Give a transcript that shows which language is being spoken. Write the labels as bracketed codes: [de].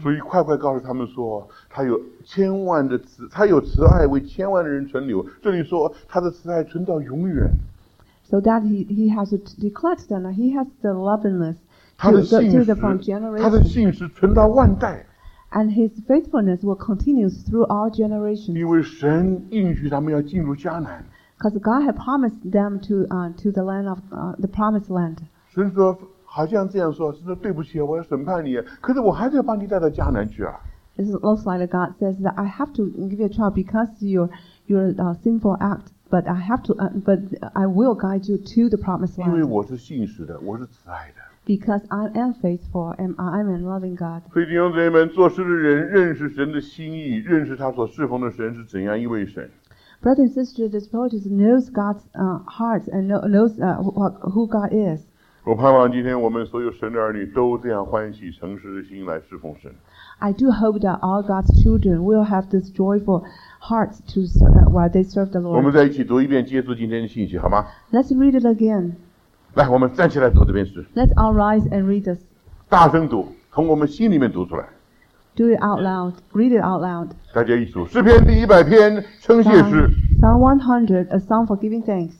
[zh] 所以快快告诉他们说，他有千万的慈，他有慈爱为千万的人存留。这里说他的慈爱存到永远。 [en] So that he has declared that he has the lovingness to the from generation. [zh] 他的信实存到万代。 [en] And his faithfulness will continue through all generations. [zh] 因为神应许他们要进入迦南。 [en] Because God had promised them to the land of the promised land. [zh] 神说好像这样说，神说对不起，我要审判你，可是我还是要把你带到迦南去啊。 [en] It looks like God says that I have to give you a trial because your sinful act, but I have to, but I will guide you to the promised land. [zh] 因为我是信实的，我是慈爱的。 [en] Because I am faithful and I am a loving God. [zh] 所以弟兄姊妹们，做事的人认识神的心意，认识他所侍奉的神是怎样一位神。 [en] Brothers and sisters, this poet knows God's heart and knows who God is. [zh] 我盼望今天我们所有神的儿女都这样欢喜诚实的心来侍奉神。 [en] I do hope that all God's children will have this joyful heart to while they serve the Lord. [zh] 我们再一起读一遍接触今天的信息好吗？ [en] Let's read it again. [zh] 来，我们站起来读这篇诗。 [en] Let's all rise and read this. [zh] 大声读，从我们心里面读出来。 [en] Do it out loud. Read it out loud. [zh] 大家一起读诗篇第100篇称谢诗。 [en] Psalm 100, a song for giving thanks.